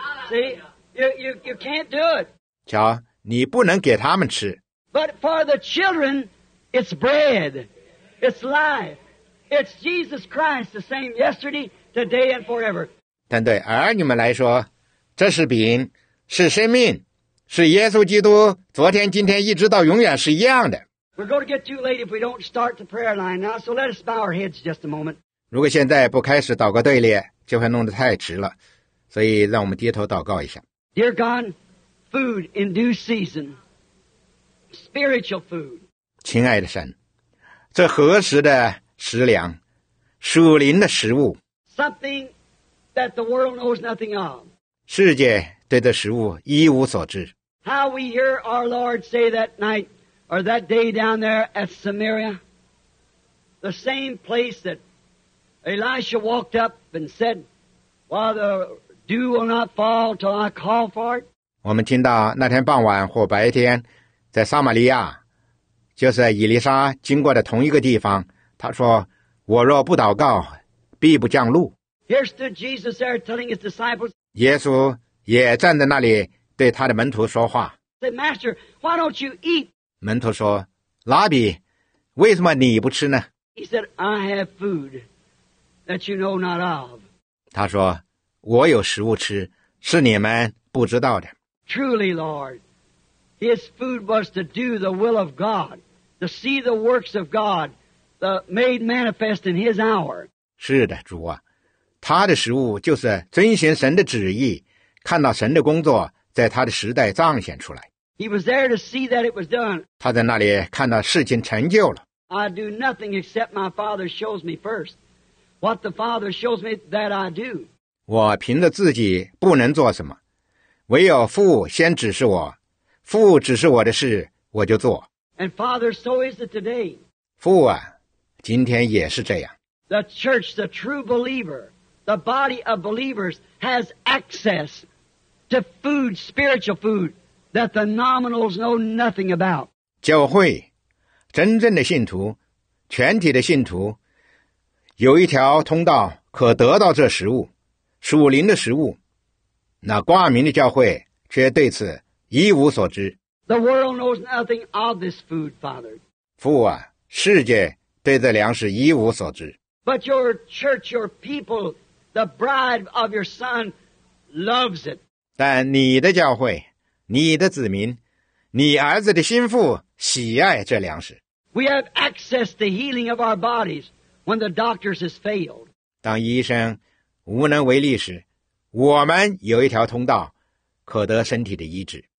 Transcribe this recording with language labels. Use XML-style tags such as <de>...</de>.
<en>See, you can't do it.</en> <zh>瞧你不能给他们吃</zh> <en>But for the children, it's bread. It's life. It's Jesus Christ, the same yesterday, today, and forever.</en> <zh>但对儿女们来说这是饼是生命是耶稣基督昨天今天一直到永远是一样的</zh> <en>We're going to get too late if we don't start the prayer line now, so let us bow our heads just a moment.</en> <zh>如果现在不开始祷告队列，就会弄得太迟了。所以，让我们低头祷告一下。</zh> <en>Dear God, food in due season, spiritual food.</en> <zh>亲爱的神，这何时的食粮，属灵的食物</zh> <en>？Something that the world knows nothing of.</en> <zh>世界对这食物一无所知。</zh> <en>How we hear our Lord say that night or that day down there at Samaria, the same place that. Elisha walked up and said, "While the dew will not fall till I call for it."</en> <zh>我们听到那天傍晚或白天，在撒玛利亚，就是以利沙经过的同一个地方，他说：“我若不祷告，必不降露。”</zh> <en>Here stood Jesus there telling his disciples.</en> <zh>耶稣也站在那里对他的门徒说话。</zh> <en>Said, "Master, why don't you eat?"</en> <zh>门徒说：“拉比，为什么你不吃呢？”</zh> <en>He said, "I have food." That you know not of.</en> <zh>他说我有食物吃是你们不知道的。</zh> <en>Truly, Lord, his food was to do the will of God, to see the works of God, the made manifest in his hour.</en> <zh>是的主啊他的食物就是遵循神的旨意看到神的工作在他的时代彰显出来。</zh> <en>He was there to see that it was done.</en> <zh>他在那里看到事情成就了。</zh> <en>I do nothing except my Father shows me first. What the Father shows me that I do.</en> <zh>我凭着自己不能做什么，唯有父先指示我，父指示我的事我就做。</zh> <en>And Father, so is it today.</en> <zh>父啊，今天也是这样。</zh> <en>The church, the true believer, the body of believers has access to food, spiritual food that the nominals know nothing about.</en> <zh>教会，真正的信徒，全体的信徒。有一条通道可得到这食物属灵的食物那挂名的教会却对此一无所知</zh> <en>The world knows nothing of this food, Father.</en> <zh>父啊世界对这粮食一无所知</zh> <en>But your church, your people, the bride of your son loves it.</en> <zh>但你的教会你的子民你儿子的心腹喜爱这粮食</zh> <en>We have access to healing of our bodies when the doctors has failed.</en> <zh>当医生无能为力时，我们有一条通道，可得身体的医治。</zh>